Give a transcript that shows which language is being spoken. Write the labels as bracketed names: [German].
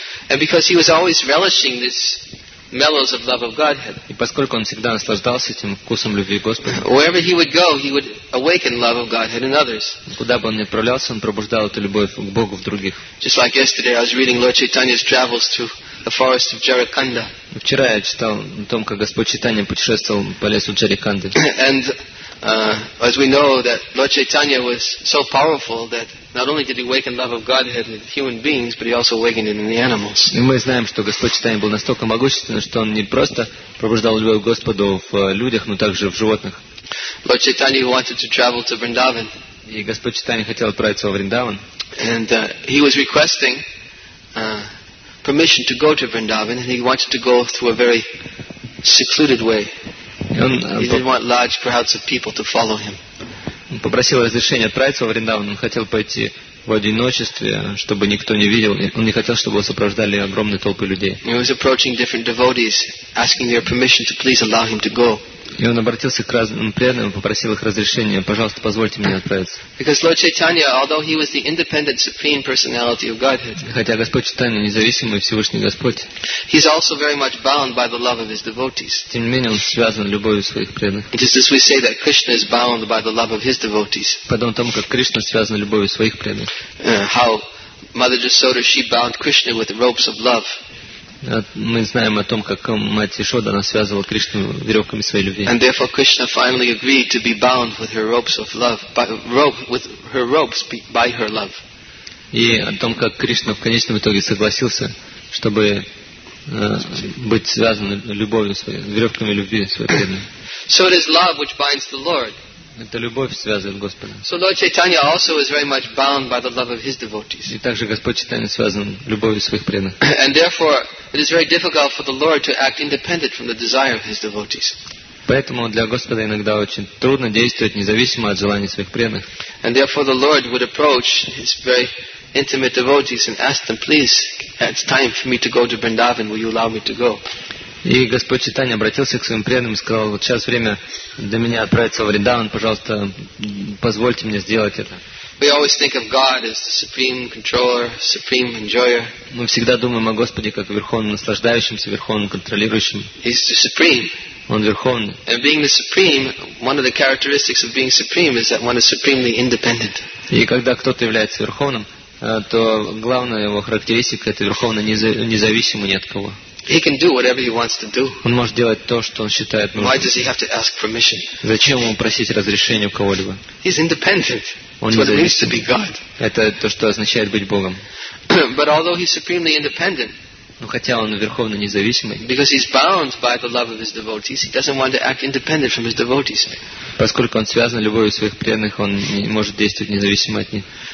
[English] And because he was always relishing this mellows of love of Godhead. [Russian] И поскольку он всегда наслаждался этим вкусом любви Господа. [English] Wherever he would go, he would awaken love of Godhead in others. [Russian] Куда бы он ни отправлялся, он пробуждал эту любовь к Богу в других. [English] Just like yesterday, I was reading Lord Chaitanya's travels through the forest of Jarakanda. [Russian] Вчера я читал о том, как Господь Чайтанья путешествовал по лесу Джариканды. [English] And as we know that Lord Chaitanya was so powerful that not only did he awaken love of Godhead in human beings, but he also awakened it in the animals. [Russian] И мы знаем, что Господь Чайтанья был настолько могущественным, что он не просто пробуждал любовь к Господу в людях, но также в животных. [English] Lord Chaitanya wanted to travel to Vrindavan. [Russian] И Господь Чайтанья хотел отправиться во Вриндаван. [English] And he was requesting permission to go to Vrindavan, and he wanted to go through a very secluded way. He didn't want large crowds of people to follow him. [Russian] Он попросил разрешения отправиться во Вриндаван. Он хотел пойти в одиночестве, чтобы никто не видел. Он не хотел, чтобы его сопровождали огромные толпы людей. [English] He was approaching different devotees, asking their permission to please allow him to go. [Russian] И он обратился к разным преданным, попросил их разрешения. Пожалуйста, позвольте мне отправиться. [English] Because Lord Chaitanya, although he was the independent supreme personality of Godhead, [Russian] хотя Господь Чайтанья независимый Всевышний Господь, [English] he is also very much bound by the love of his devotees. [Russian] Тем не менее, он связан любовью своих преданных. [English] Just as we say that Krishna is bound by the love of his devotees. [Russian] Подобно тому, как Кришна связан любовью своих преданных. [English] How Mother Jasoda, she bound Krishna with ropes of love. [Russian] мы знаем о том, как мать Ишода она связывала Кришну веревками своей любви. [English] And therefore Krishna finally agreed to be bound with her ropes of love, by, rope with her ropes by her love. [Russian] И о том, как Кришна в конечном итоге согласился, чтобы быть связан любовью своей, веревками любви своей преданной. [English] So it is love which binds the Lord. [Russian] Это любовь связывает Господа. [English] So Lord Chaitanya also is very much bound by the love of his devotees. [Russian] И также Господь Чайтанья связан любовью своих преданных. [English] And therefore, it is very difficult for the Lord to act independent from the desire of his devotees. [Russian] Поэтому для Господа иногда очень трудно действовать независимо от желаний своих преданных. [English] And therefore, the Lord would approach his very intimate devotees and ask them, please, it's time for me to go to Vrindavan. Will you allow me to go? [Russian] И Господь Чайтанья обратился к своим преданным и сказал, вот сейчас время для меня отправиться в Вриндаван, пожалуйста, позвольте мне сделать это. [English] We always think of God as the supreme controller, supreme enjoyer. [Russian] Мы всегда думаем о Господе как о верховном наслаждающемся, верховном контролирующем. [English] He's the supreme. [Russian] Он верховный. [English] And being the supreme, one of the characteristics of being supreme is that one is supremely independent. [Russian] И когда кто-то является верховным, то главная его характеристика это верховно независимый ни от кого. [English] He can do whatever he wants to do. [Russian] Он может делать то, что он считает нужным. [English] Why does he have to ask permission? [Russian] Зачем ему просить разрешения у кого-либо? [English] He's independent. [Russian] Он [English] what it means to be God. [Russian] Это то, что означает быть Богом. [English] But although he's supremely independent, [Russian] но хотя он верховно независимый, [English] because he's bound by the love of his devotees, he doesn't want to act independent from his devotees. [Russian] Поскольку он связан любовью своих преданных, он не может действовать независимо от них.